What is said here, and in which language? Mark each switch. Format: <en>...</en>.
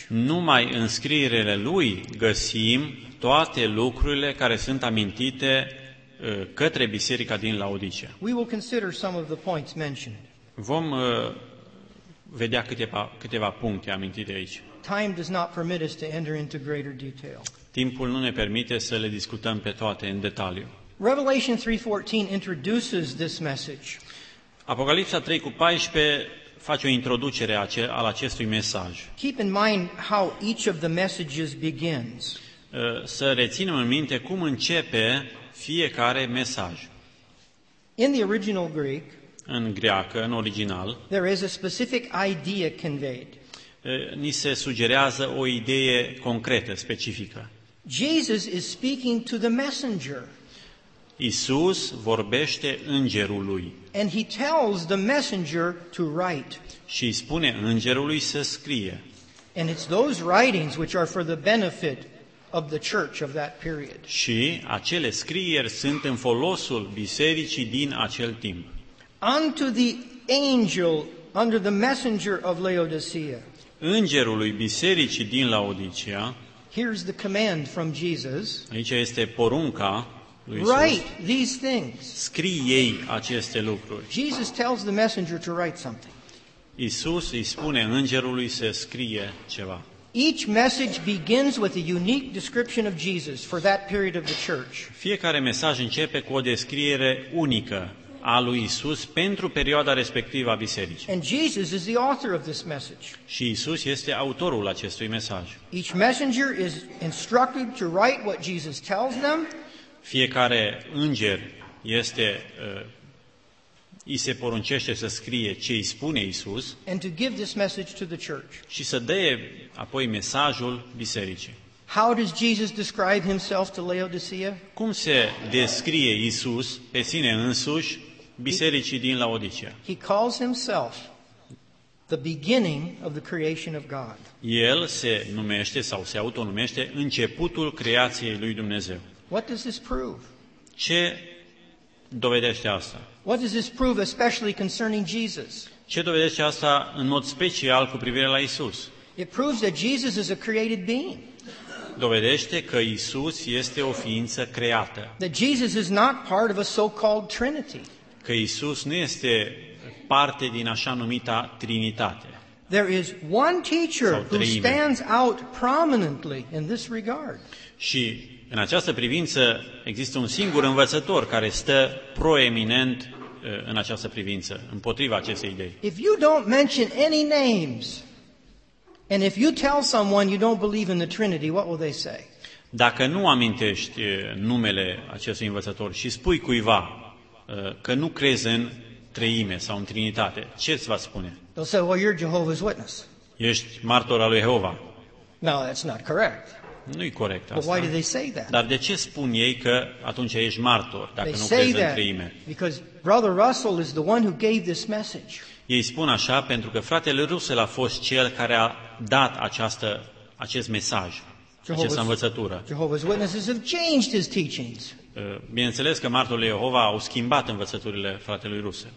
<ro>Numai în scrierile lui găsim toate lucrurile care sunt amintite către biserica din Laodicea.</ro> <en>We will consider some of the points mentioned.</en> <ro>Vom vedea câteva puncte amintite aici.</ro> <en>Time does not permit us to enter into greater detail.</en> <ro>Timpul nu ne permite să le discutăm pe toate în detaliu.</ro> <en>Revelation 3:14 introduces this message.</en> <ro>Apocalipsa 3:14 face o introducere al acestui mesaj.</ro> <en>Keep in mind how each of the messages begins.</en> <ro>Să reținem în minte cum începe fiecare mesaj.</ro> <en>In the original Greek,</en> <ro>în greacă, în original,</ro> <en>there is a specific idea conveyed.</en> <ro>Ni se sugerează o idee concretă, specifică.</ro> <en>Jesus is speaking to the messenger.</en> <ro>Isus vorbește îngerului.</ro> <en>And he tells the messenger to write.</en> <ro>Și spune îngerului să scrie.</ro> <en>And it's those writings which are for the benefit of the church of that period.</en> <ro>Și acele scrieri sunt în folosul bisericii din acel timp.</ro> <en>Unto the angel under the messenger of Laodicea.</en> <ro>Îngerului bisericii din Laodicea.</ro> <en>Here's the command from Jesus.</en> <ro>Aici este porunca lui Isus.</ro> <en>Write these things.</en> <ro>Scrie-i aceste lucruri.</ro> <en>Jesus tells the messenger to write something.</en> <ro>Isus îi spune îngerului să scrie ceva.</ro> <en>Each message begins with a unique description of Jesus for that period of the church.</en> <ro>Fiecare mesaj începe cu o descriere unică a lui Isus pentru perioada respectivă a bisericii.</ro> <en>And Jesus is the author of this message.</en> <ro>Și Isus este autorul acestui mesaj.</ro> <en>Each messenger is instructed to write what Jesus tells them.</en> <ro>Fiecare înger este îi se poruncește să scrie ce îi spune Isus.</ro> <en>And to give this message to the church.</en> <ro>Și să dea apoi mesajul bisericii.</ro> <en>How does Jesus describe himself to Laodicea?</en> <ro>Cum se descrie Isus pe sine însuși bisericii din Laodicea?</ro> <en>He calls himself the beginning of the creation of God.</en> <ro>El se numește sau se autonumește începutul creației lui Dumnezeu.</ro> <en>What does this prove?</en> <ro>Ce dovedește asta?</ro> <en>What does this prove especially concerning Jesus?</en> <ro>Ce dovedește asta în mod special cu privire la Isus?</ro> <en>It proves that Jesus is a created being.</en> <ro>Dovedește că Isus este o ființă creată.</ro> <en>That Jesus is not part of a so-called Trinity.</en> <ro>Că Isus nu este parte din așa numita Trinitate.</ro> <en>There is one teacher who stands out prominently in this regard.</en> <ro>Și în această privință există un singur învățător care stă proeminent în această privință, împotriva acestei idei.</ro> <en>If you don't mention any names, and if you tell someone you don't believe in the Trinity, what will they say?</en> <ro>Dacă nu amintești numele acestui învățător și spui cuiva că nu crezi în treime sau în Trinitate, ce îți va spune?</ro> <en>They'll say, well, you're Jehovah's Witness.</en> <ro>Ești martor al lui Jehova.</ro> <en>No, that's not correct.</en> <ro>Nu-i corect asta.</ro> <en>But why do they say that?</en> <ro>Dar de ce spun ei că atunci ești martor dacă nu crezi în treime?</ro> <en>Because Brother Russell is the one who gave this message.</en> <ro>Ei spun așa pentru că fratele Russell a fost cel care a dat acest mesaj, această învățătură.</ro> <en>Jehovah's Witnesses have changed his teachings.</en> <ro>Bineînțeles că martorii Jehova au schimbat învățăturile fratelui Russell.</ro>